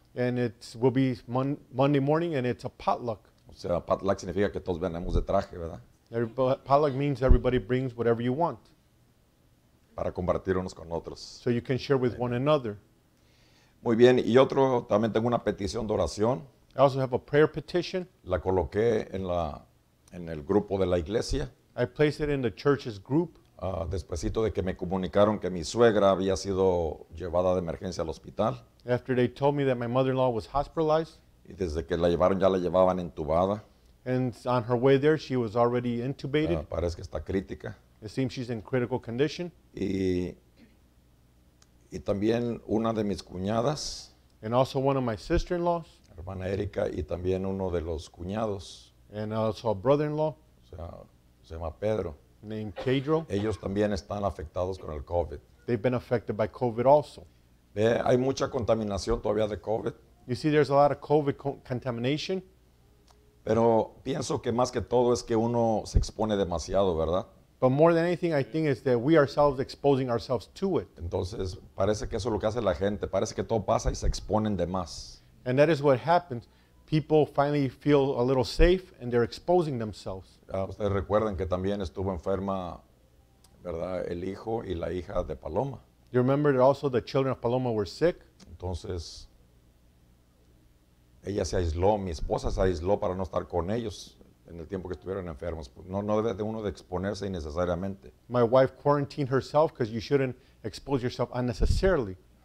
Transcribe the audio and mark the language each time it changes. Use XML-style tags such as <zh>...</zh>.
<en>And it will be Monday morning, and it's a potluck.</en> <es>O sea, potluck significa que todos venimos de traje, ¿verdad?</es> <en>Potluck means everybody brings whatever you want.</en> <es>Para compartir unos con otros.</es> <en>So you can share with one another.</en> <es>Muy bien. Y otro, también tengo una petición de oración.</es> <en>I also have a prayer petition.</en> <es>La coloqué en el grupo de la iglesia.</es> <en>I placed it in the church's group.</en> <es>Despuesito de que me comunicaron que mi suegra había sido llevada de emergencia al hospital.</es> <en>After they told me that my mother-in-law was hospitalized.</en> <es>Y desde que la llevaron ya la llevaban entubada.</es> <en>And on her way there she was already intubated.</en> <es>Parece que está crítica.</es> <en>It seems she's in critical condition.</en> <es>Y también una de mis cuñadas.</es> <en>And also one of my sister-in-laws.</en> <es>Hermana Erika y también uno de los cuñados.</es> <en>And also a brother-in-law.</en> <es>O sea, se llama Pedro.</es> <en>Named Pedro.</en> <es>Ellos también están afectados con el COVID.</es> <en>They've been affected by COVID also.</en> <es>Ve, hay mucha contaminación todavía de COVID.</es> <en>You see, there's a lot of COVID contamination.</en> <es>Pero pienso que más que todo es que uno se expone demasiado, ¿verdad?</es> <en>But more than anything, I think, is that we ourselves exposing ourselves to it.</en> <es>Entonces, parece que eso es lo que hace la gente. Parece que todo pasa y se exponen de más.</es> <en>And that is what happens. People finally feel a little safe and they're exposing themselves.</en> <es>Ustedes recuerden que también estuvo enferma, ¿verdad?, el hijo y la hija de Paloma.</es> <en>You remember that also the children of Paloma were sick?</en> <es>Entonces, ella se aisló, mi esposa se aisló para no estar con ellos en el tiempo que estuvieron enfermos. No debe de uno de exponerse innecesariamente.</es> <en>My wife quarantined herself because you shouldn't expose yourself unnecessarily.</en>